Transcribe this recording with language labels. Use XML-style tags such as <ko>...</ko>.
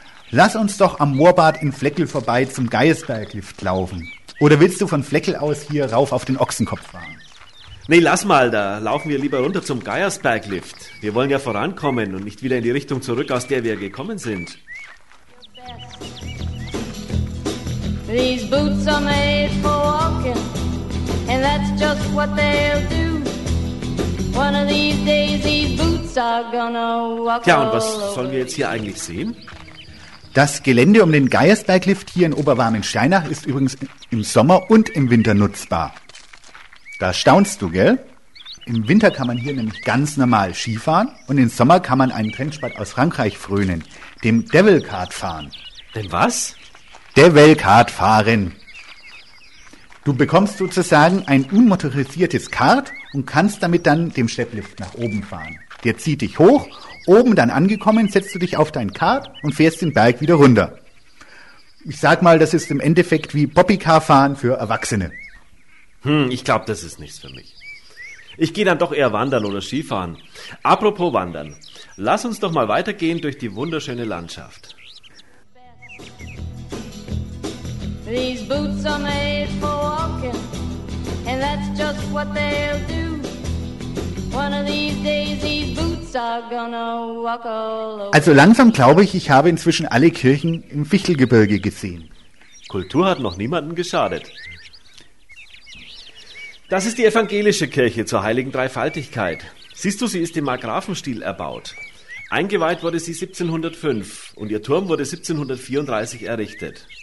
<de>Lass uns doch am Moorbad in Fleckel vorbei zum Geiersberglift laufen. Oder willst du von Fleckel aus hier rauf auf den Ochsenkopf fahren? Nee, lass mal, da laufen wir lieber runter zum Geiersberglift. Wir wollen ja vorankommen und nicht wieder in die Richtung zurück, aus der wir gekommen sind.</de> <en>These boots are made for walking, and that's just what they'll do. One of these days these boots are gonna walk.</en> <de>Tja, und was sollen wir jetzt hier eigentlich sehen? Das Gelände um den Geiersberglift hier in Oberwarmensteinach ist übrigens im Sommer und im Winter nutzbar. Da staunst du, gell? Im Winter kann man hier nämlich ganz normal Skifahren und im Sommer kann man einen Trendsport aus Frankreich frönen, dem Devil Kart fahren. Dem was? Devil Kart fahren. Du bekommst sozusagen ein unmotorisiertes Kart und kannst damit dann dem Schlepplift nach oben fahren. Der zieht dich hoch, oben dann angekommen, setzt du dich auf dein Kart und fährst den Berg wieder runter. Ich sag mal, das ist im Endeffekt wie Poppycar fahren für Erwachsene. Ich glaube, das ist nichts für mich. Ich gehe dann doch eher wandern oder Skifahren. Apropos wandern, lass uns doch mal weitergehen durch die wunderschöne Landschaft.</de> <en>These boots are made for walking, and that's just what they'll do. One of these days these boots are gonna walk all over.</en> <de>Also langsam glaube ich, ich habe inzwischen alle Kirchen im Fichtelgebirge gesehen. Kultur hat noch niemanden geschadet. Das ist die evangelische Kirche zur Heiligen Dreifaltigkeit. Siehst du, sie ist im Markgrafenstil erbaut. Eingeweiht wurde sie 1705 und ihr Turm wurde 1734 errichtet.</de>